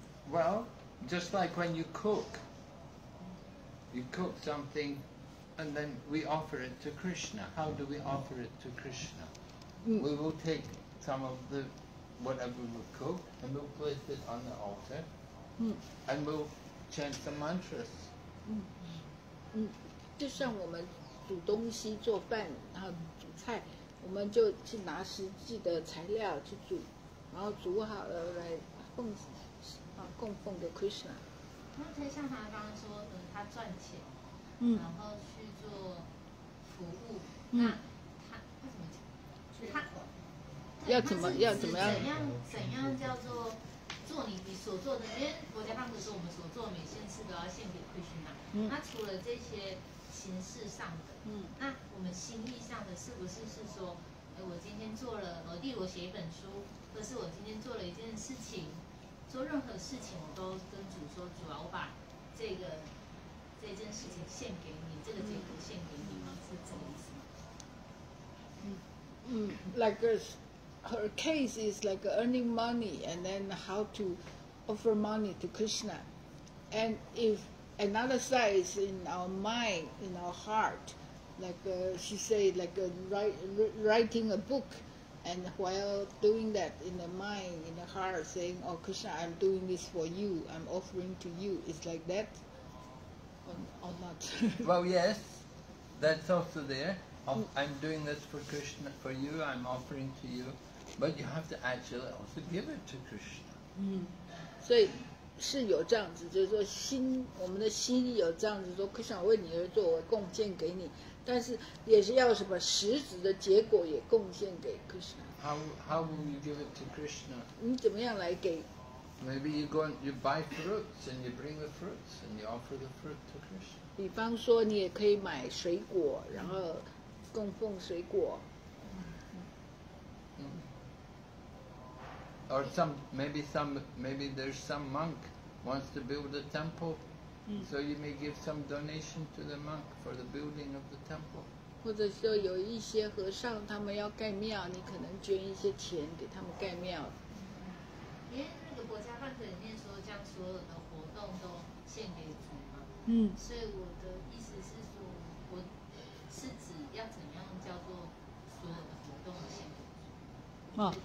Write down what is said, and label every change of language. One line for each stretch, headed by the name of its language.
English: Well, just like when you cook something, and then we offer it to Krishna. How do we offer it to Krishna? We will take some of the... whatever we cook, and we'll place it on the altar, and we'll chant the mantras.
Chinese: 就像我们煮东西、做饭，然后煮菜，我们就去拿实际的材料去煮，然后煮好了来供奉给 Krishna。那像他刚刚说的，他赚钱，然后去做服务，怎样叫做做你所做的？因为佛家上不是说我们所做每件事都要献给 Krishna， 那除了这些形式上的，那我们心意上的是不是说，我今天做了，我例如我写一本书，或是我今天做了一件事情，做任何事情我都跟主说，主啊，我把这件事情献给你，这个结果献给你吗？是这个意思吗？
English: Like this. Her case is like earning money, and then how to offer money to Krishna. And if another side is in our mind, in our heart, like she said, like writing a book, and while doing that in the mind, in the heart, saying, oh Krishna, I'm doing this for you, I'm offering to you. It's like that or not? Well, yes, that's also there. I'm doing this for Krishna, for you, I'm offering to you. But you have to actually also give it to Krishna.
Chinese: 所以是有这样子，就是说心，我们的心意有这样子说，Krishna为你而做，我贡献给你，但是也是要什么实质的结果也贡献给Krishna。
English: How will you give it to Krishna?
Chinese: 你怎么样来给？
English: Maybe you go and you buy fruits and you bring the fruits and you offer the fruit to Krishna.
Chinese: 比方说，你也可以买水果，然后供奉水果。
English: Or maybe there's some monk wants to build a temple, so you may give some donation to the monk for the building of the temple.
Chinese: 或者说有一些和尚他们要盖庙，你可能捐一些钱给他们盖庙。因为那个国家范本里面说，将所有的活动都献给主嘛。所以我的意思是说，我是指要怎样叫做所有的活动献给主。